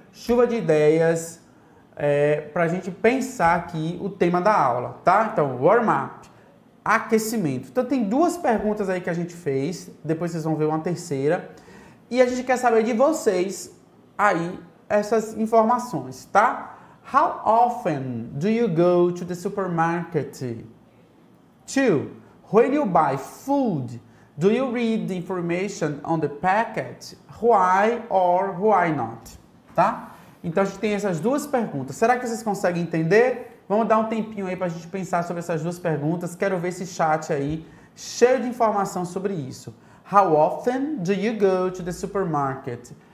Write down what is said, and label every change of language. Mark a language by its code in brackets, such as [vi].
[pt] Chuva de ideias para a gente pensar aqui o tema da aula, tá? Então, warm-up, aquecimento. Então, tem duas perguntas aí que a gente fez, depois vocês vão ver uma terceira. E a gente quer saber de vocês aí essas informações, tá? [en] How often do you go to the supermarket? Two, when you buy food, do you read the information on the packet? Why or why not? [pt] Tá? Então a gente tem essas duas perguntas. Será que vocês conseguem entender? Vamos dar um tempinho aí para a gente pensar sobre essas duas perguntas. Quero ver esse chat aí cheio de informação sobre isso. [en] How often do you go to the supermarket?